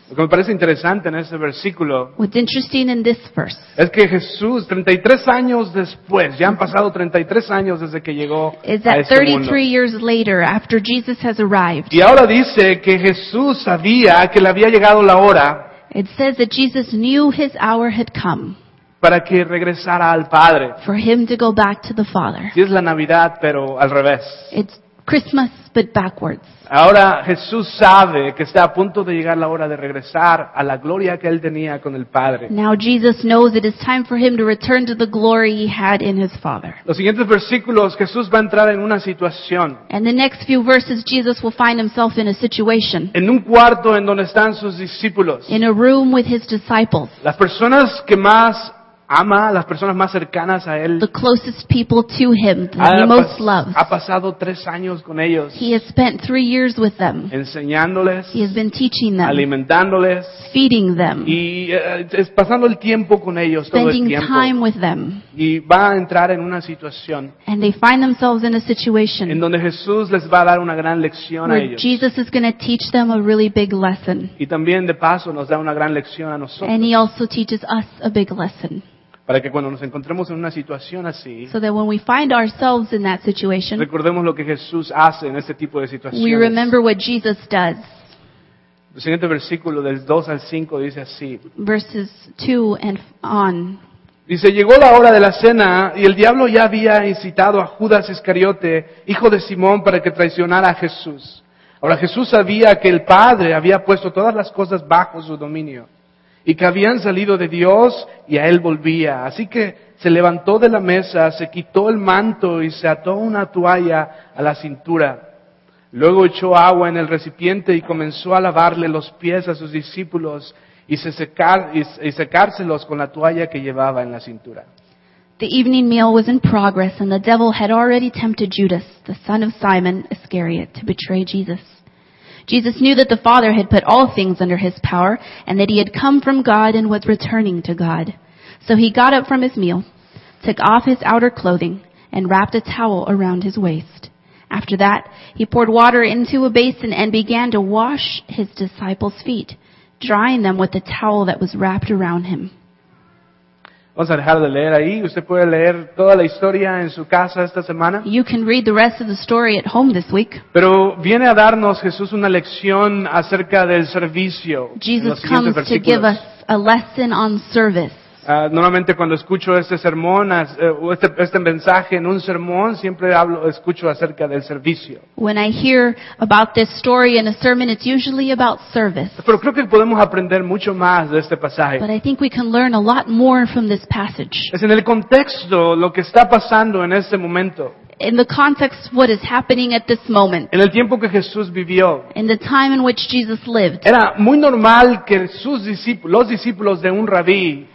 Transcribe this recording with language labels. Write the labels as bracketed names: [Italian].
[Spanish] Lo que me parece interesante en ese versículo. [English] What's interesting in this verse. [Spanish] Es que Jesús, 33 años después, ya han pasado 33 años desde que llegó a este mundo. [English] Is that 33 years later after Jesus has arrived? [Spanish] Y ahora dice que Jesús sabía que le había llegado la hora. [English] It says that Jesus knew his hour had come. [Spanish] Para que regresara al Padre. [English] For him to go back to the Father. [Spanish] Sí, es la Navidad, pero al revés. [English] It's Christmas, but backwards. [Spanish] Ahora Jesús sabe que está a punto de llegar la hora de regresar a la gloria que él tenía con el Padre. [English] Now Jesus knows it is time for him to return to the glory he had in his Father. [Spanish] Los siguientes versículos, Jesús va a entrar en una situación. [English] And the next few verses, Jesus will find himself in a situation. [Spanish] En un cuarto en donde están sus discípulos. [English] In a room with his disciples. [Spanish] Las personas que más ama, las personas más cercanas a él. [English] The closest people to him, that he most loves. [Spanish] Ha pasado 3 años con ellos. [English] He has spent 3 years with them. [Spanish] Enseñándoles. [English] He has been teaching them. [Spanish] Alimentándoles. [English] Feeding them. [Spanish] Y pasando el tiempo con ellos todo el tiempo. [English] Spending time with them. [Spanish] Y va a entrar en una situación. [English] And they find themselves in a situation. [Spanish] En donde Jesús les va a dar una gran lección a ellos. [English] Where Jesus is going to teach them a really big lesson. [Spanish] Y también de paso nos da una gran lección a nosotros. [English] And he also teaches us a big lesson. [Spanish] Para que cuando nos encontremos en una situación así, [English] so that when we find ourselves in that situation, [Spanish] recordemos lo que Jesús hace en este tipo de situaciones. [English] We remember what Jesus does. [Spanish] El siguiente versículo, del 2 al 5, dice así. [English] Verses 2 and on. [Spanish] Dice, llegó la hora de la cena y el diablo ya había incitado a Judas Iscariote, hijo de Simón, para que traicionara a Jesús. Ahora Jesús sabía que el Padre había puesto todas las cosas bajo su dominio. Y que habían salido de Dios y a él volvía. Así que se levantó de la mesa, se quitó el manto y se ató una toalla a la cintura. Luego echó agua en el recipiente y comenzó a lavarle los pies a sus discípulos y secárselos con la toalla que llevaba en la cintura. [English] The evening meal was in progress and the devil had already tempted Judas, the son of Simon Iscariot, to betray Jesus. Jesus knew that the Father had put all things under his power and that he had come from God and was returning to God. So he got up from his meal, took off his outer clothing, and wrapped a towel around his waist. After that, he poured water into a basin and began to wash his disciples' feet, drying them with the towel that was wrapped around him. [Spanish] Vamos a dejar de leer ahí. Usted puede leer toda la historia en su casa esta semana. [English] You can read the rest of the story at home this week. [Spanish] Pero viene a darnos Jesús una lección acerca del servicio. [English] Jesus comes to give us a lesson on service. [Spanish] Normalmente cuando escucho este sermón, este mensaje en un sermón, siempre escucho acerca del servicio. [English] When I hear about this story in a sermon, it's usually about service. [Spanish] Pero creo que podemos aprender mucho más de este pasaje. [English] But I think we can learn a lot more from this passage. [Spanish] Es en el contexto lo que está pasando en este momento. [English] In the context of what is happening at this moment. [Spanish] En el tiempo que Jesús vivió. [English] In the time in which Jesus lived. [Spanish] Era muy normal que sus discípulos, los discípulos de un rabí.